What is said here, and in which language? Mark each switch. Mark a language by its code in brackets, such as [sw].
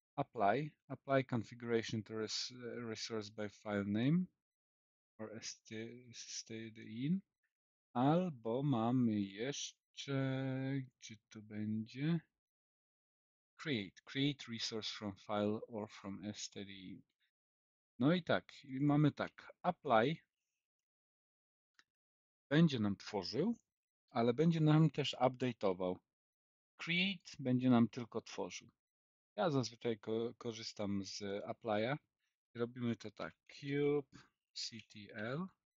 [en] Apply configuration to resource by file name or std in. [pl] Albo mamy jeszcze, gdzie to będzie? [en] Create resource from file or from std in. [pl] No i tak, mamy tak. Apply będzie nam tworzył, ale będzie nam też update'ował. Create będzie nam tylko tworzył. Ja zazwyczaj korzystam z Apply'a, Robimy to tak. [en] Cube CTL.